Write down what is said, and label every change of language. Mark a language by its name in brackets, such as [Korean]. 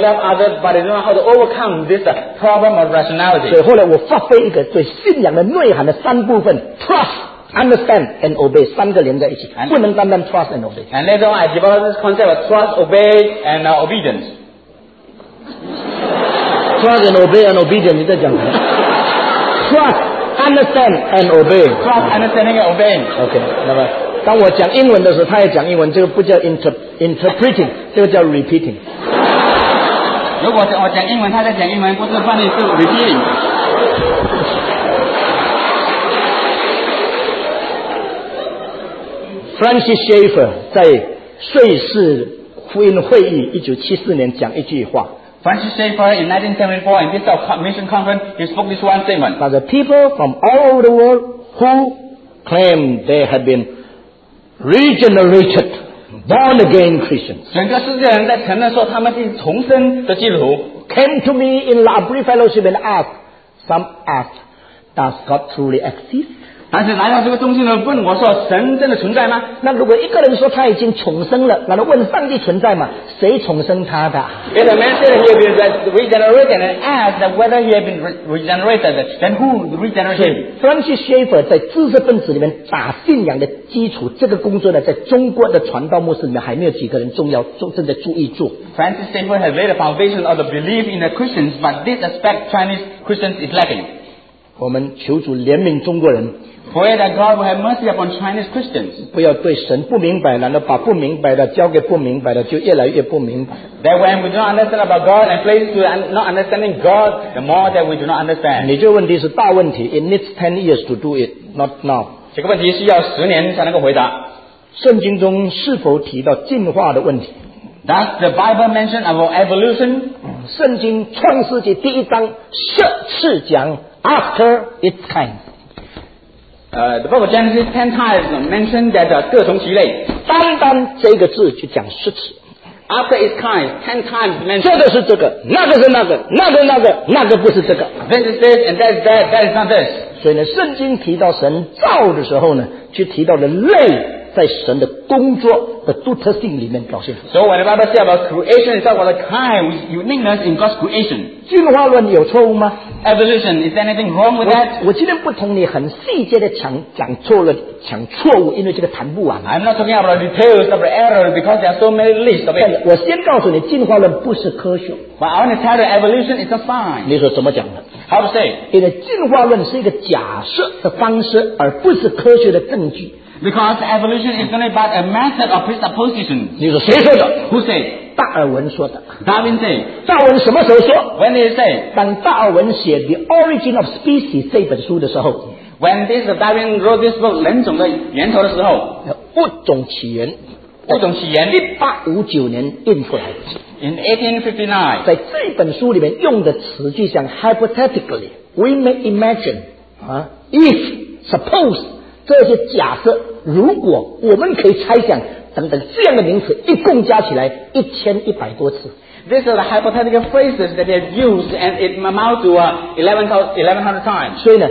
[English] love others, but they don't know how to overcome this problem of rationality. [Chinese] So, 后来我发挥一个对信仰的内涵的三部分, trust. [English] Understand and obey. [Chinese] 三个连在一起, [English] and, [Chinese] 不能单单 [English] trust and obey. And later on, I developed this concept of trust, obey, and obedience. Trust and obey and obedience. [Chinese] 你在讲什么? [English] Trust, understand and obey. Trust, understanding and obeying. Okay. [Chinese] 那么，当我讲英文的时候，他也讲英文。这个不叫 interpreting， 这个叫 repeating. 如果我讲英文，他在讲英文，不是翻译，是 repeating. Francis Schaeffer 在瑞士福音会议1974年讲一句话。 [English] Francis Schaeffer in 1974 in this mission conference he spoke this one statement. But the people from all over the world who claim they have been regenerated, born again Christians. [Chinese] 整个世界人在承认说他们是重生的基督徒。 [English] Came to me in La Brie Fellowship and asked, some asked, does God truly exist? [Chinese] 但是来到这个中心呢，问我说：“神真的存在吗？” 那如果一个人说他已经重生了， 那他问上帝存在吗？谁重生他的？ [English] If a man said he had been regenerated and asked whether he had been regenerated, then who regenerated him? [Chinese] Francis Schaeffer 在知识分子里面打信仰的基础， 这个工作呢， 在中国的传道牧师里面还没有几个人重要，正在注意做。 [English] Francis Schaeffer has laid the foundation of the belief in the Christians, but this aspect Chinese Christians is lacking. [Chinese] 我们求主怜悯中国人。 [English] Pray that God will have mercy upon Chinese Christians. [Chinese] 不要对神不明白，难道把不明白的交给不明白的，就越来越不明白。 [English] That when we do not understand about God and place to not understanding God, the more that we do not understand. [Chinese] 你这个问题是大问题， [English] it needs 10 years to do it, not now. [Chinese] 这个问题是要10年才能够回答。圣经中是否提到进化的问题？ [English] Does the Bible mention about evolution? [Chinese] 圣经创世纪第一章10次讲 [English] after its kind. The book of Genesis 10 times mentioned that [Chinese] 各从其类单单这个字就讲十次 [English] after its kind 10 times mentioned [Chinese] 这个是这个 那个是那个 那个那个 那个不是这个 [English] this is this and that is that that is not this [Chinese] 所以呢圣经提到神造的时候呢 就提到了类在神的工作的独特性里面表现 [English] so when the Bible says about creation it's about the kind with uniqueness in God's creation [Chinese] 进化论有错误吗? [English] Evolution, is there anything wrong with that? [Chinese] 我今天不同你很细节的讲错误, 因为这个谈不完。 [English] I'm not talking about the details of the error because there are so many lists of it. [Chinese] 我先告诉你, 进化论不是科学。 [English] But I want to tell you, evolution is a sign. [Chinese] 你说怎么讲的? [English] How to say? [Chinese] 因为进化论是一个假设的方式, 而不是科学的证据。 [English] Because evolution is only but a method of presupposition. [Chinese] 你说谁说的? [English] Who say? [Chinese] 达尔文说的 [English] Darwin say [Chinese] 达尔文什么时候说? [English] When did he say? [Chinese] 当达尔文写 [English] The Origin of Species [Chinese] 这本书的时候 [English] When this Darwin wrote this book [Chinese] 人种的源头的时候物种起源物种起源 1859年印出来的 [English] In 1859 [Chinese] 在这本书里面用的词就像 [English] Hypothetically We may imagine If Suppose [Chinese] 这些假设如果我们可以猜想等等这样的名词一共加起来 1100多次 [English] These are the hypothetical phrases that they have used and it amounts to 1100 times